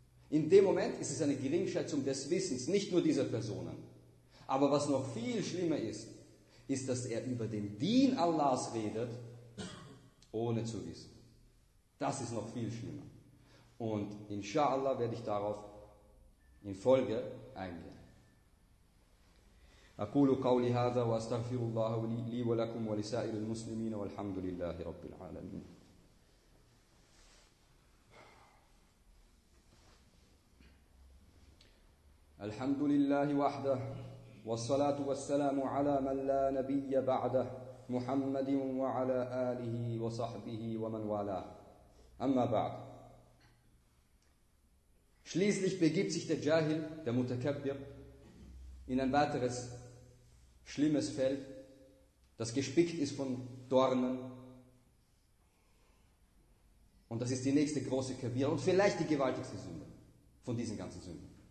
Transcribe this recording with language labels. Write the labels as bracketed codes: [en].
[de] In dem Moment ist es eine Geringschätzung des Wissens, nicht nur dieser Personen. Aber was noch viel schlimmer ist, ist, dass er über den Din Allahs redet, ohne zu wissen. Das ist noch viel schlimmer. Und inshallah werde ich darauf in Folge eingehen. [ar] أقول قولي هذا وأستغفر الله لي ولكم ولسائر المسلمين والحمد لله رب العالمين. الحمد لله وحده والصلاة والسلام على من لا نبي بعده محمد وعلى آله وصحبه ومن والاه. أما بعد. [de] Schließlich begibt sich der Jahil, der Mutakabbir, in ein weiteres schlimmes Feld, das gespickt ist von Dornen. Und das ist die nächste große Kabira und vielleicht die gewaltigste Sünde von diesen ganzen Sünden.